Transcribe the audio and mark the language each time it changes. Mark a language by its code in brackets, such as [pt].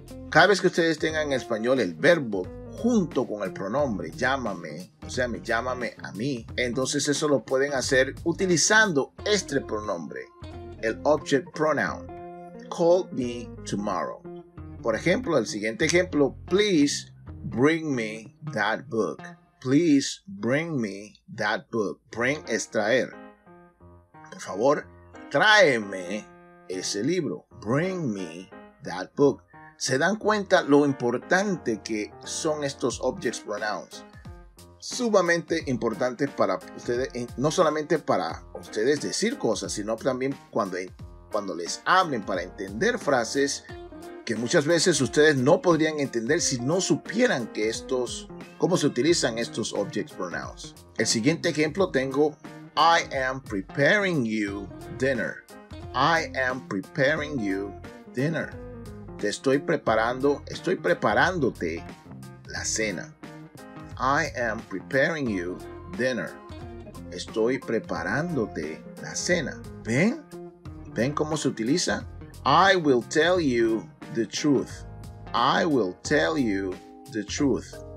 [es] Cada vez que ustedes tengan en español el verbo junto con el pronombre, llámame, o sea, me llámame a mí, entonces eso lo pueden hacer utilizando este pronombre, el object pronoun. [en] Call me tomorrow. [es] Por ejemplo, el siguiente ejemplo, [en] please bring me that book. Please bring me that book. [es] Bring es traer. Por favor, tráeme ese libro. [en] Bring me that book. [es] ¿Se dan cuenta lo importante que son estos object pronouns? Sumamente importantes para ustedes, no solamente para ustedes decir cosas, sino también cuando les hablen, para entender frases que muchas veces ustedes no podrían entender si no supieran que estos, cómo se utilizan estos object pronouns. El siguiente ejemplo tengo, [en] I am preparing you dinner. I am preparing you dinner. [es] Te estoy preparándote la cena. [en] I am preparing you dinner. [es] Estoy preparándote la cena. ¿Ven? ¿Ven cómo se utiliza? [en] I will tell you the truth. I will tell you the truth.